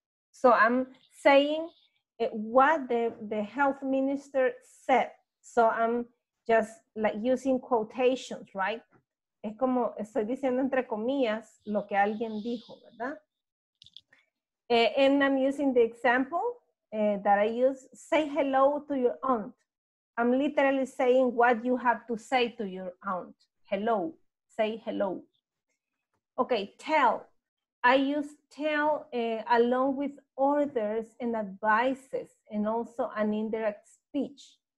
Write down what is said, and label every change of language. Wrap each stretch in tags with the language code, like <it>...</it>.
<en>So I'm saying what the health minister said. So I'm just like using quotations, right?</en> <es>Es como estoy diciendo entre comillas lo que alguien dijo, ¿verdad?</es> <en>And I'm using the example that I use, say hello to your aunt. I'm literally saying what you have to say to your aunt. Hello, say hello. Okay, tell. I use tell along with orders and advices and also an indirect speech.</en>